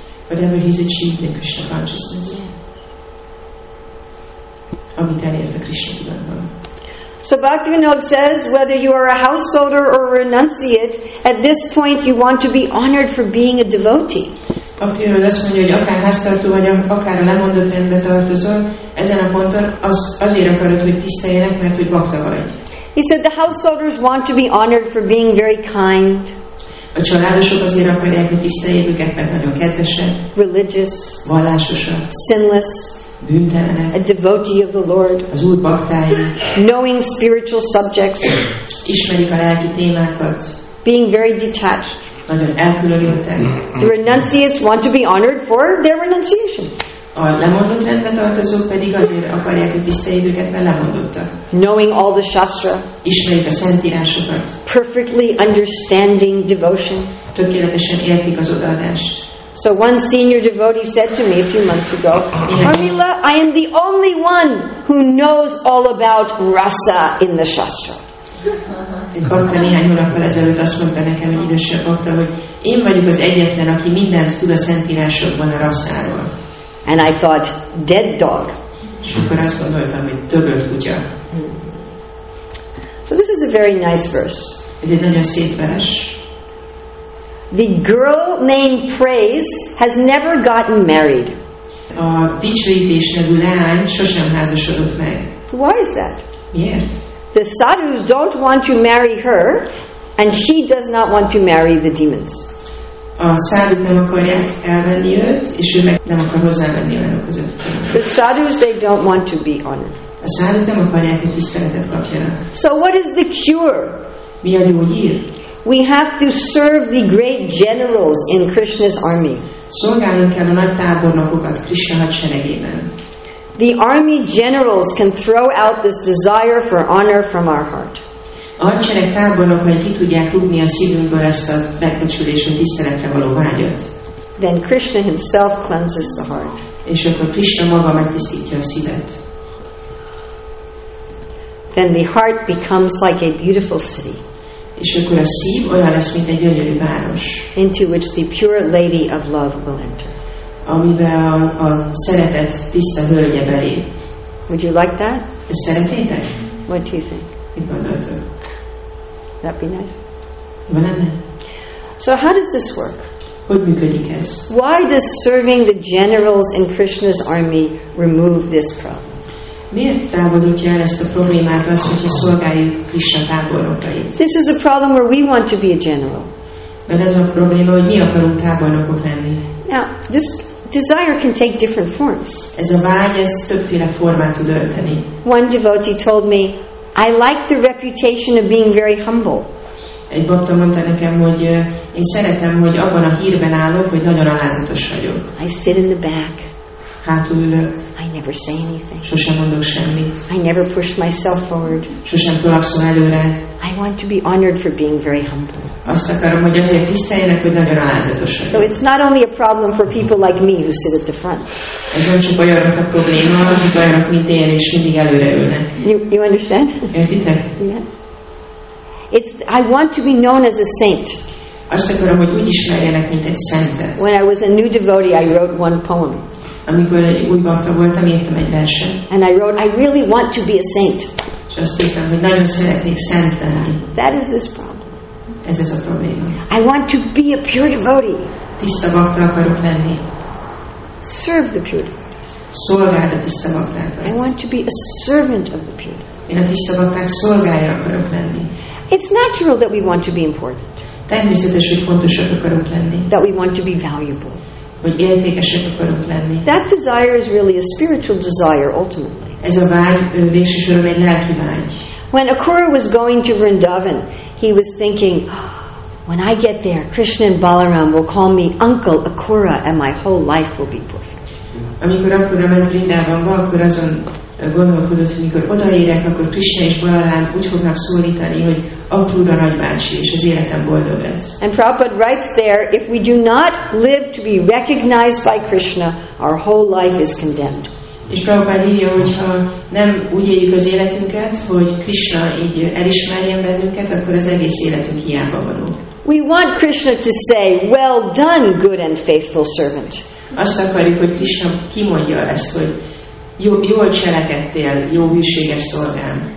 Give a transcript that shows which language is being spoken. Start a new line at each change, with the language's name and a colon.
English: Whatever he's achieved in Krishna consciousness. Yeah.
Hungarian: Amit elért a Krishna tudatban.
English: So Bhaktivinoda says, whether you are a householder or a renunciate, at this point you want to be honored for being a devotee.
Hungarian: Aktívan azt mondja, hogy akár háztartó vagy, akár a lemondott rendbe tartozol, ezen a ponton azért akarod, hogy tiszteljenek, mert hogy bakta vagy.
English: He said the householders want to be honored for being very kind.
Hungarian: A családosok azért akarják, hogy tiszteljék őket, mert nagyon kedvesen.
English: Religious.
Hungarian: Vallásosan.
English: Sinless.
Hungarian: Bűntelenek.
English: A devotee of the Lord.
Hungarian: Az Úr baktája.
English: Knowing spiritual subjects.
Hungarian: Ismerik a lelki témákat.
English: Being very detached.
Hungarian: Nagyon elkülönültek.
English: The renunciates want to be honored for their renunciation.
Hungarian: A lemondott rendbe tartozók pedig azért akarják, hogy tiszteljék őket, mert lemondottak.
English: Knowing all the shastra.
Hungarian: Ismerik a szentírásokat.
English: Perfectly understanding devotion.
Hungarian: Tökéletesen értik az odaadást.
English: So one senior devotee said to me a few months ago, Harmila, I am the only one who knows all about rasa in the shastra.
Hungarian: Egy bakta néhány hónappal ezelőtt azt mondta nekem, egy idősebb bakta, hogy én vagyok az egyetlen, aki mindent tud a szentírásokban a rasszáról.
English: And I thought, dead dog.
Hungarian: És akkor azt gondoltam, hogy dögött kutya.
English: So this is a very nice verse.
Hungarian: Ez egy nagyon szép vers.
English: The girl named Praise has never gotten married.
Hungarian: A dicsőítés nevű leány sosem házasodott meg.
English: Why is that?
Hungarian: Miért?
English: The sadhus don't want to marry her, and she does not want to marry the demons.
Hungarian: A sadhu nem akarják elvenni őt, és ő meg nem akar hozzávenni olyan között.
English: The sadhus, they don't want to be honored.
Hungarian: A sadhu nem akarják, hogy tiszteletet kapjanak.
English: So what is the cure?
Hungarian: Mi a gyógyír?
English: We have to serve the great generals in Krishna's army.
Hungarian: Szolgálnunk kell a nagy tábornokokat Krishna hadseregében.
English: The army generals can throw out this desire for honor from our heart.
Hungarian: A hadsereg tábornokai ki tudják rúgni a szívünkből ezt a megbecsülés, hogy tiszteletre való vágyat.
English: Then Krishna himself cleanses the heart.
Hungarian: És akkor Krishna maga megtisztítja a szívet.
English: Then the heart becomes like a beautiful city.
Hungarian: És akkor a szív olyan lesz, mint egy gyönyörű város.
English: Into which the pure lady of love will enter.
Hungarian: Amiben a szeretet tiszta hölgye belép.
English: Would you like that?
Hungarian: Ezt szeretnétek?
English: What do you think?
Hungarian: Mit gondoltok?
English: That'd be nice.
Hungarian: Jó lenne?
English: So how does this work?
Hungarian: Hogy működik ez?
English: Why does serving the generals in Krishna's army remove this problem?
Hungarian: Miért távolítja el ezt a problémát az, hogyha szolgáljuk Krishna tábornokait?
English: This is a problem where we want to be a general.
Hungarian: Mert ez a probléma, hogy mi akarunk tábornokok lenni.
English: Now, this desire can take different forms.
Hungarian: Ez a vágy, ez többféle formát tud ölteni.
English: One devotee told me, I like the reputation of being very humble.
Hungarian: Egy bakta mondta nekem, hogy én szeretem, hogy abban a hírben állok, hogy nagyon alázatos vagyok.
English: I sit in the back.
Hungarian: Hátul ülök.
English: I never say anything.
Hungarian: Sosem mondok semmit.
English: I never push myself forward.
Hungarian: Sosem tolakszom előre.
English: I want to be honored for being very humble.
Hungarian: Azt akarom, hogy azért tiszteljenek, hogy nagyon alázatos vagyok.
English: So it's not only a problem for people like me who sit at the front.
Hungarian: Ez nem csak olyanok a probléma, azok olyanok, mint én, és mindig előre ülnek.
English: You understand?
Hungarian: Értitek?
English: Yeah. I want to be known as a saint.
Hungarian: Azt akarom, hogy úgy ismerjenek, mint egy szentet.
English: When I was a new devotee, I wrote one poem.
Hungarian: Amikor új bakta voltam, írtam egy verset.
English: And I wrote, I really want to be a saint.
Hungarian: És azt írtam, hogy nagyon szeretnék szent lenni.
English: That is this problem.
Hungarian: Ez ez a probléma.
English: I want to be a pure devotee.
Hungarian: Tiszta bakta akarok lenni.
English: Serve the pure devotees.
Hungarian: Szolgáld a tiszta baktákat.
English: I want to be a servant of the pure.
Hungarian: Én a tiszta bakták szolgálja akarok lenni.
English: It's natural that we want to be important.
Hungarian: Természetes, hogy fontosak akarok lenni.
English: That we want to be valuable.
Hungarian: Hogy értékesek akarok lenni.
English: That desire is really a spiritual desire ultimately.
Hungarian: Ez a vágy végsősorban egy lelki vágy.
English: When Akura was going to Vrindavan, he was thinking, when I get there, Krishna and Balaram will call me Uncle Akura and my whole life will be perfect.
Hungarian: Amikor Akura ment Vrindavanba, akkor azon gondolkodott, hogy mikor odaérek, akkor Krishna és Balaram úgy fognak szólítani, hogy Akura nagybácsi, és az életem boldog lesz.
English: And Prabhupada writes there, if we do not live to be recognized by Krishna, our whole life is condemned.
Hungarian: És Prabhupada írja, hogyha nem úgy éljük az életünket, hogy Krishna így elismerjen bennünket, akkor az egész életünk hiába való.
English: We want Krishna to say, well done, good and faithful servant.
Hungarian: Azt akarjuk, hogy Krishna kimondja ezt, hogy jól cselekedtél, jó hűséges szolgám.